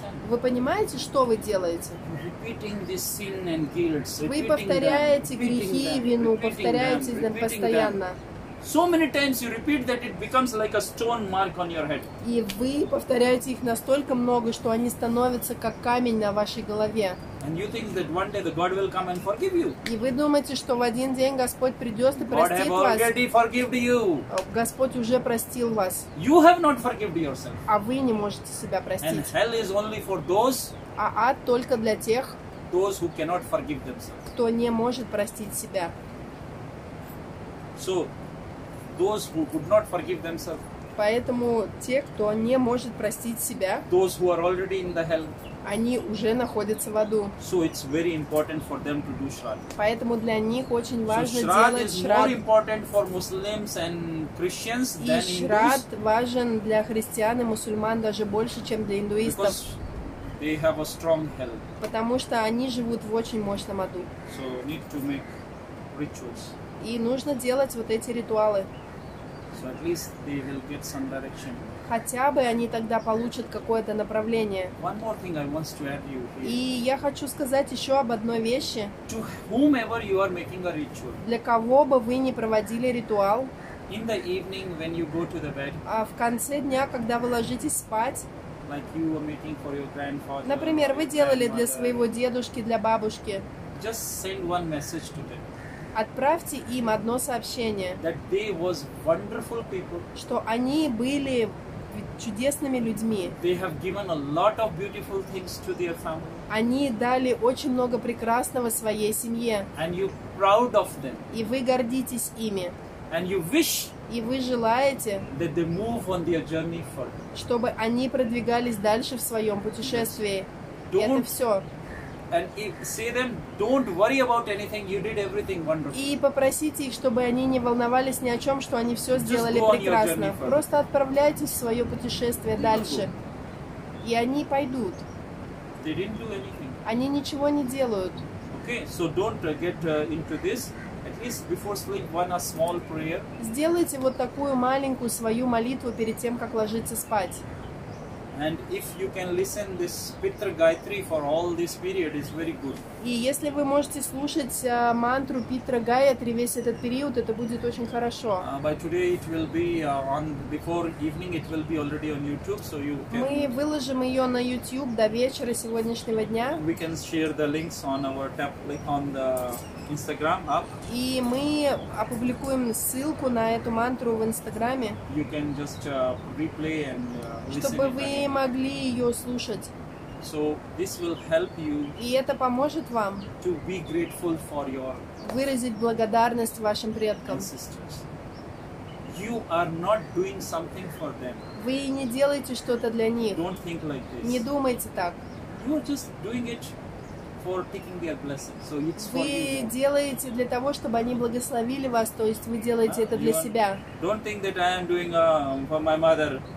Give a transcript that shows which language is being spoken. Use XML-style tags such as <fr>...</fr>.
<ru>Вы понимаете, что вы делаете? Вы повторяете грехи и вину, повторяете</ru> <en>them</en> <ru>постоянно.</ru> <en>So many times you repeat that it becomes like a stone mark on your head.</en> <ru>И вы повторяете их настолько много, что они становятся как камень на вашей голове.</ru> <en>And you think that one day the God will come and forgive you.</en> <ru>И вы думаете, что в один день Господь придет и простит вас.</ru> <en>God has already forgiven you.</en> <ru>Господь уже простил вас.</ru> <en>You have not forgiven yourself.</en> <ru>А вы не можете себя простить.</ru> <en>And hell is only for those.</en> <ru>А ад только для тех.</ru> <en>Those who cannot forgive themselves.</en> <ru>Кто не может простить себя.</ru> <en>So. Those who could not forgive themselves.</en> <ru>Поэтому те, кто не может простить себя.</ru> <en>Those who are already in the hell.</en> <ru>Они уже находятся в аду.</ru> <en>So it's very important for them to do shraddh.</en> <ru>Поэтому для них очень важно</ru> <en>so</en> <ru>делать шрад.</ru> <en>So shraddh is more important for Muslims and Christians than Hindus.</en> <ru>И шрад важен для христиан и мусульман даже больше, чем для индуистов.</ru> <en>Because they have a strong hell.</en> <ru>Потому что они живут в очень мощном аду.</ru> <en>So need to make rituals.</en> <ru>И нужно делать вот эти ритуалы.</ru> <en>So at least they will get some direction.</en> <ru>Хотя бы они тогда получат какое-то направление.</ru> <en>One more thing I want to add you here.</en> <ru>И я хочу сказать еще об одной вещи.</ru> <en>To whomever you are making a ritual.</en> <ru>Для кого бы вы ни проводили ритуал.</ru> <en>In the evening when you go to the bed.</en> <ru>А в конце дня, когда вы ложитесь спать.</ru> <en>Like you were making for your grandfather.</en> <ru>Например, вы делали для своего дедушки, для бабушки.</ru> <en>Just send one message to them.</en> <ru>Отправьте им одно сообщение,</ru> <en>that they was wonderful people,</en> <ru>что они были чудесными людьми.</ru> <en>They have given a lot of beautiful things to their family.</en> <ru>Они дали очень много прекрасного своей семье.</ru> <en>And you proud of them.</en> <ru>И вы гордитесь ими.</ru> <en>And you wish,</en> <ru>и вы желаете,</ru> <en>that they move on their journey further.</en> <ru>Чтобы они продвигались дальше в своем путешествии.</ru> <en>Don't...</en> <ru>Это все.</ru> <en>And say them, don't worry about anything. You did everything wonderful.</en> <ru>И попросите их, чтобы они не волновались ни о чем, что они все сделали прекрасно. Просто отправляйтесь в свое путешествие дальше, и они пойдут.</ru> <en>They didn't do anything.</en> <ru>Они ничего не делают.</ru> <en>Okay, so don't get into this. At least before sleep, one a small prayer.</en> <ru>Сделайте вот такую маленькую свою молитву перед тем, как ложиться спать.</ru> <en>And if you can listen this Pitra Gayatri for all this period, it's very good.</en> <ru>И если вы можете слушать мантру Питра Гаятри весь этот период, это будет очень хорошо.</ru> <en>By today it will be on before evening. It will be already on YouTube, so you can.</en> <ru>Мы выложим ее на YouTube до вечера сегодняшнего дня.</ru> <en>We can share the links on our tap on the Instagram up.</en> <ru>И мы опубликуем ссылку на эту мантру в Инстаграме.</ru> <en>You can just replay and listen.</en> <ru>Чтобы вы могли ее слушать.</ru> <en>So this will help you.</en> <ru>И это поможет вам.</ru> <en>To be grateful for your.</en> <ru>Выразить благодарность вашим предкам.</ru> <en>Sisters, you are not doing something for them.</en> <ru>Вы не делаете что-то для них.</ru> <en>Don't think like this.</en> <ru>Не думайте так.</ru> <en>You are just doing it for taking their blessing. So it's for</en> <ru>вы</ru> <en>you.</en> <ru>Делаете для того, чтобы они благословили вас. То есть вы делаете это для себя.</ru> <en>Don't think that I am doing for my mother.</en>